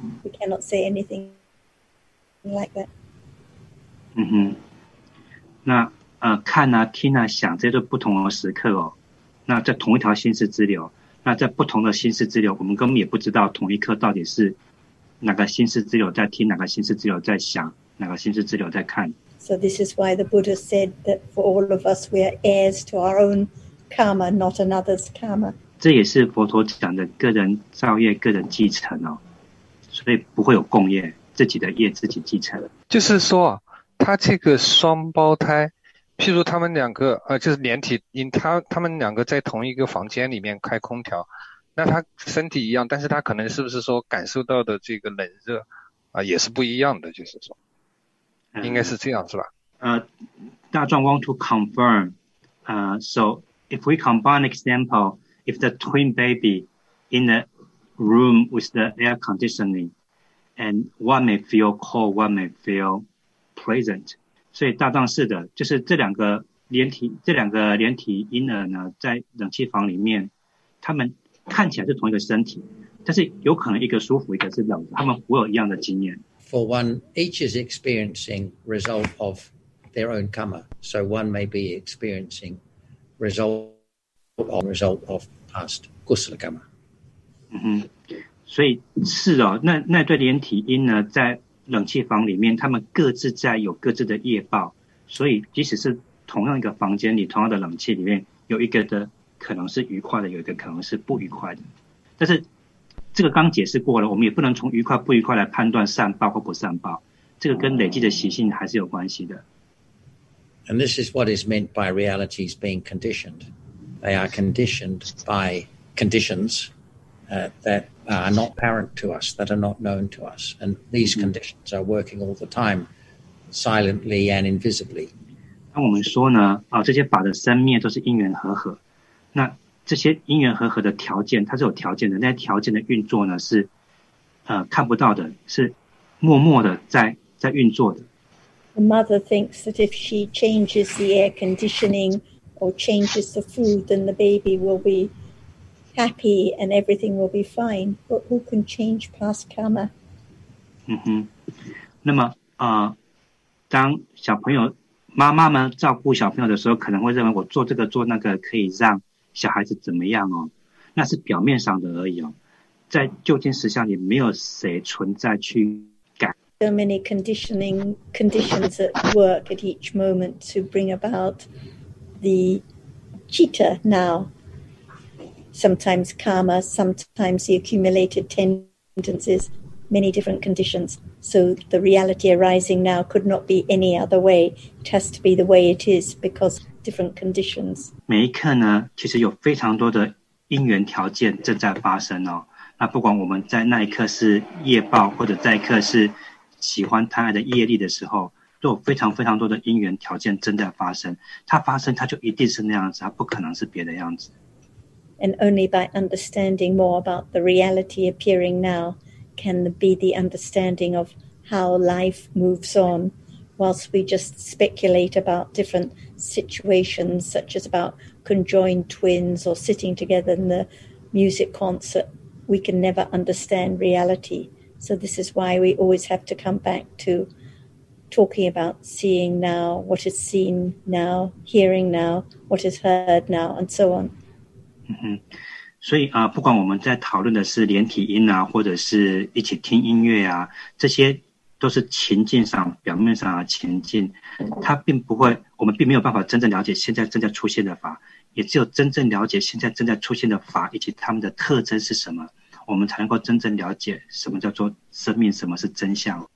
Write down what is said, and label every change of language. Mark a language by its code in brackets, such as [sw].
[en] We cannot say anything like that. [zh] 嗯哼，那看啊，听啊，想，这都不同的时刻哦。那在同一条心思之流，那在不同的心思之流，我们根本也不知道同一刻到底是哪个心思之流在听，哪个心思之流在想，哪个心思之流在看。 So this is why the Buddha said that for all of us, we are heirs to our own karma, not another's karma. 这也是佛陀讲的个人造业，个人继承哦，所以不会有共业，自己的业自己继承。就是说，他这个双胞胎，譬如他们两个，就是连体，因他们两个在同一个房间里面开空调，那他身体一样，但是他可能是不是说感受到的这个冷热，也是不一样的，就是说。应该是这样是吧？ [en] 大壮 want to confirm. So if we combine example, if the twin baby in the room with the air conditioning, and one may feel cold, one may feel pleasant. [zh] 所以大壮是的，就是这两个连体婴儿呢，在冷气房里面，他们看起来是同一个身体，但是有可能一个舒服，一个是冷，他们会有一样的经验。 [en] For one, each is experiencing result of their own karma. So one may be experiencing result of past kusala karma. [zh] 所以是哦，那对连体婴呢，在冷气房里面，他们各自在有各自的业报。所以即使是同样一个房间里，同样的冷气里面，有一个的可能是愉快的，有一个可能是不愉快的，但是。这个刚解释过了，我们也不能从愉快不愉快来判断善报或不善报，这个跟累积的习性还是有关系的。 [en] And this is what is meant by realities being conditioned. They are conditioned by conditions that are not apparent to us, that are not known to us. And these conditions are working all the time, silently and invisibly. [zh] 那我们说呢，这些法的生灭都是因缘和合，那这些因缘和合的条件，它是有条件的。那些条件的运作呢，是看不到的，是默默的在运作的。 [en] The mother thinks that if she changes the air conditioning or changes the food, then the baby will be happy and everything will be fine. But who can change past karma? [zh] 嗯哼，那么当小朋友妈妈们照顾小朋友的时候，可能会认为我做这个做那个可以让。小孩子怎么样哦？那是表面上的而已哦，在究竟实相里，没有谁存在去改。 [en] So many conditions at work at each moment to bring about the citta now. Sometimes karma, sometimes the accumulated tendencies, many different conditions. So the reality arising now could not be any other way. It has to be the way it is because. Different conditions. [zh] 每一刻呢，其实有非常多的因缘条件正在发生哦。那不管我们在那一刻是业报，或者在一刻是喜欢贪爱的业力的时候，都有非常非常多的因缘条件正在发生。它发生，它就一定是那样子，它不可能是别的样子。 [en] And only by understanding more about the reality appearing now can be the understanding of how life moves on. Whilst we just speculate about different situations, such as about conjoined twins or sitting together in the music concert, we can never understand reality. So this is why we always have to come back to talking about seeing now, what is seen now, hearing now, what is heard now, and so on. [zh] 所以不管我们在讨论的是连体婴啊，或者是一起听音乐啊，这些。都是情境上表面上的情境，它并不会，我们并没有办法真正了解现在正在出现的法，也只有真正了解现在正在出现的法以及它们的特征是什么，我们才能够真正了解什么叫做生命，什么是真相。